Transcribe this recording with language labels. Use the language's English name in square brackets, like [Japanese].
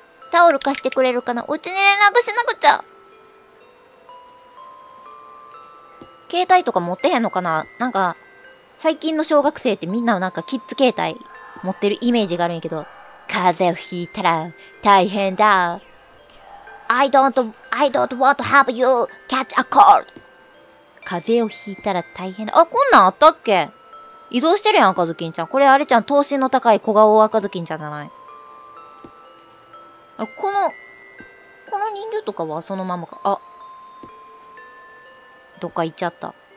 [Japanese] タオル貸してくれるかな？お家に連絡しなくちゃ。携帯とか持ってへんのかな？なんか、最近の小学生ってみんななんかキッズ携帯持ってるイメージがあるんやけど、風邪をひいたら大変だ。 [English] I don't want to have you catch a cold. [Japanese] 風邪をひいたら大変だ。あ、こんなんあったっけ？移動してるやん、赤ずきんちゃん。これあれちゃん、頭身の高い小顔赤ずきんちゃんじゃない？あ、この、この人形とかはそのままか。あ、どっか行っちゃった。